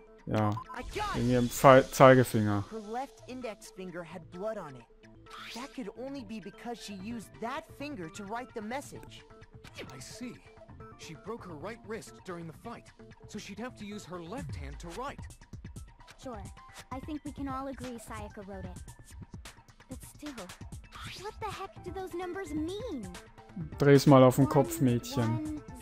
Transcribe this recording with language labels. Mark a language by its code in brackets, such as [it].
[de] Ja, wegen ihrem Zeigefinger. [en] Her left index finger had blood on it. That could only be because she used that finger to write the message. I see. She broke her right wrist during the fight, so she'd have to use her left hand to write. Sure. I think we can all agree Sayaka wrote it. But still, what the heck do those numbers mean? [de] Dreh's mal auf den Kopf, Mädchen.